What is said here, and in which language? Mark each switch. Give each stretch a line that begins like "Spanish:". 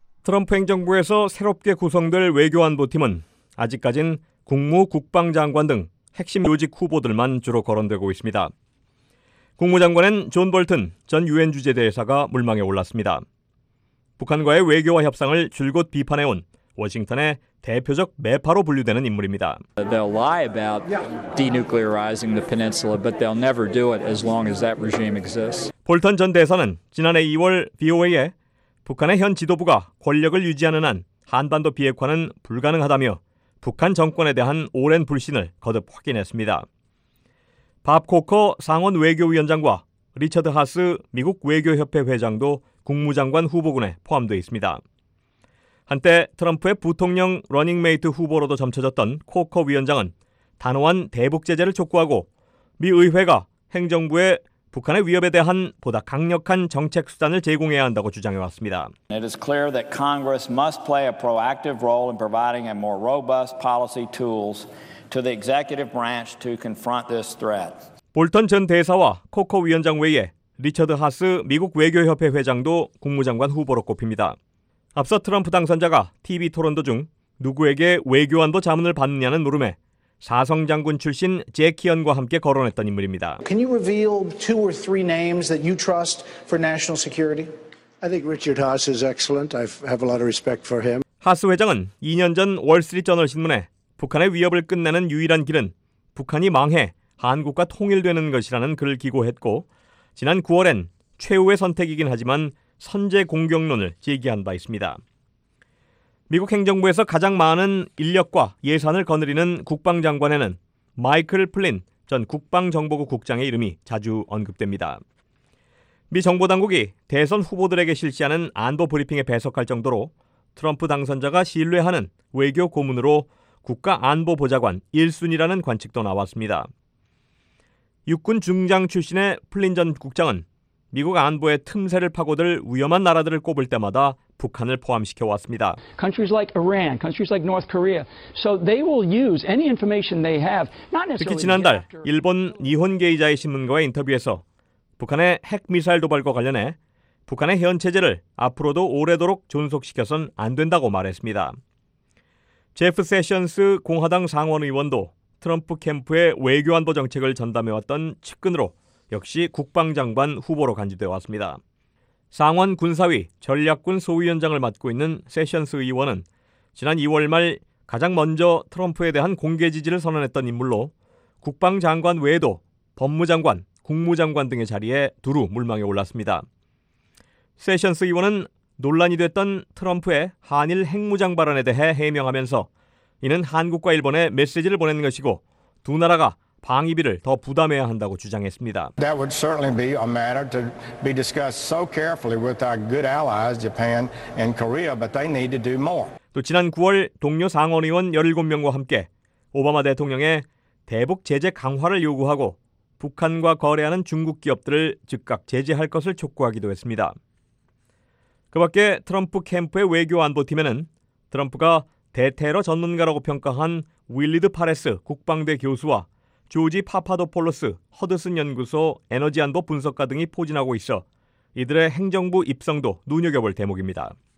Korean: 트럼프 행정부에서 새롭게 구성될 외교안보팀은 아직까진 국무국방장관 등 핵심 요직 후보들만 주로 거론되고 있습니다. 국무장관은 존 볼튼 전 유엔 주재대사가 물망에 올랐습니다. 북한과의 외교와 협상을 줄곧 비판해온 워싱턴의 대표적 매파로 분류되는 인물입니다.
English: They'll lie about denuclearizing the peninsula, but they'll never do it as long as that regime exists.
Korean: 볼턴 전 대사는 지난해 2월 VOA에 북한의 현 지도부가 권력을 유지하는 한 한반도 비핵화는 불가능하다며 북한 정권에 대한 오랜 불신을 거듭 확인했습니다. 밥 코커 상원 외교위원장과 리처드 하스 미국 외교협회 회장도 국무장관 후보군에 포함되어 있습니다. 한때 트럼프의 부통령 러닝메이트 후보로도 점쳐졌던 코커 위원장은 단호한 대북 제재를 촉구하고 미 의회가 행정부에 북한의 위협에 대한 보다 강력한 정책 수단을 제공해야 한다고 주장해 왔습니다.
English: It is clear that Congress must play a proactive role in providing a more robust policy tools to the executive branch to confront this threat.
Korean: 볼턴 전 대사와 코커 위원장 외에 리처드 하스 미국 외교협회 회장도 국무장관 후보로 꼽힙니다. 앞서 트럼프 당선자가 TV 토론도 중 누구에게 외교안보 자문을 받느냐는 물음에 사성장군 출신 제키언과 함께 거론했던 인물입니다.
English: Can you reveal two or three names that you trust for national security? I think Richard Haas is excellent. I have a lot of respect for him.
Korean: 하스 회장은 2년 전 월스트리트저널 신문에 북한의 위협을 끝내는 유일한 길은 북한이 망해 한국과 통일되는 것이라는 글을 기고했고 지난 9월엔 최후의 선택이긴 하지만 선제 공격론을 제기한 바 있습니다. 미국 행정부에서 가장 많은 인력과 예산을 거느리는 국방장관에는 마이클 플린 전 국방정보국 국장의 이름이 자주 언급됩니다. 미 정보당국이 대선 후보들에게 실시하는 안보 브리핑에 배석할 정도로 트럼프 당선자가 신뢰하는 외교 고문으로 국가 안보 보좌관 1순위라는 관측도 나왔습니다. 육군 중장 출신의 플린 전 국장은 미국 안보의 틈새를 파고들 위험한 나라들을 꼽을 때마다 북한을 포함시켜 왔습니다.
English: Countries like Iran, countries like North Korea. So they will use any information they have.
Korean: 특히 지난달 일본 니혼 게이자의 신문과의 인터뷰에서 북한의 핵 미사일 도발과 관련해 북한의 현 체제를 앞으로도 오래도록 존속시켜선 안 된다고 말했습니다. 제프 세션스 공화당 상원 의원도 트럼프 캠프의 외교 안보 정책을 전담해 왔던 측근으로 역시 국방장관 후보로 간주되어 왔습니다. 상원 군사위 전략군 소위원장을 맡고 있는 세션스 의원은 지난 2월 말 가장 먼저 트럼프에 대한 공개 지지를 선언했던 인물로 국방장관 외에도 법무장관, 국무장관 등의 자리에 두루 물망에 올랐습니다. 세션스 의원은 논란이 됐던 트럼프의 한일 핵무장 발언에 대해 해명하면서 이는 한국과 일본에 메시지를 보내는 것이고 두 나라가 방위비를 더 부담해야 한다고 주장했습니다.
English: That would certainly be a matter to be discussed so carefully with our good allies Japan and Korea, but they need to do more.
Korean: 또 지난 9월 동료 상원 의원 17명과 함께 오바마 대통령의 대북 제재 강화를 요구하고 북한과 거래하는 중국 기업들을 즉각 제재할 것을 촉구하기도 했습니다. 그 밖에 트럼프 캠프의 외교 안보팀에는 트럼프가 대테러 전문가라고 평가한 윌리드 파레스 국방대 교수와 조지 파파도폴로스 허드슨 연구소 에너지 안보 분석가 등이 포진하고 있어 이들의 행정부 입성도 눈여겨볼 대목입니다.